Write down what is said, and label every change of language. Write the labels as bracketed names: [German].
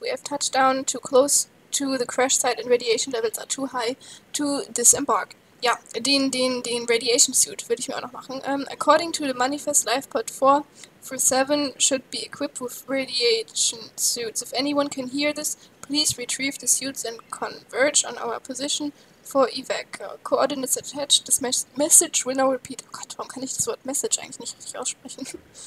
[English] We have touched down too close to the crash site and radiation levels are too high to disembark. [German] Ja, den Radiation Suit würde ich mir auch noch machen. [English] According to the manifest, live port 447 should be equipped with radiation suits. If anyone can hear this, please retrieve the suits and converge on our position for evac. Coordinates attached. This message will now repeat. [German] Oh Gott, warum kann ich das Wort Message eigentlich nicht richtig aussprechen?